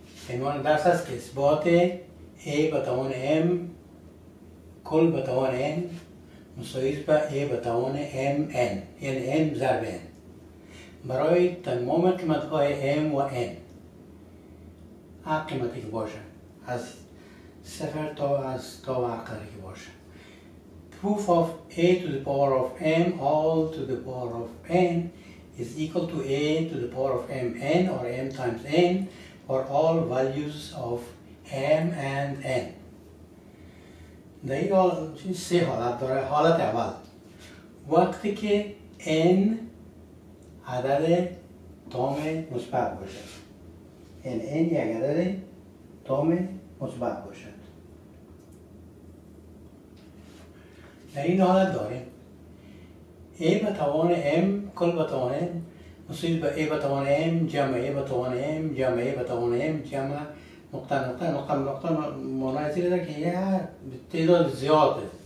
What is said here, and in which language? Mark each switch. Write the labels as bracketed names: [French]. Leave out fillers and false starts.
[Persian] عنوان درس است که اثبات A به توان M کل به توان N مساوی است به A به توان MN، یعنی M ضرب N برای تمام قیمت های M و N، هر قیمتی که باشه، از صفر تا از تا عقلی که باشه. [English] Proof of a to the power of m all to the power of n is equal to a to the power of mn or m times n for all values of m and n. [Persian] دقیقا چیز سه حالت داره. حالت اول، وقتی که n عدد تام مثبت باشد، یعنی n یک عدد تام مثبت باشد، در این حالت داریم A به توان M کل به توان N مساوی به A به توان M جمع A به توان M جمع A به توان M جمع نقطه نقطه نقطه نقطه معنی زیره در که یه تعداد زیاد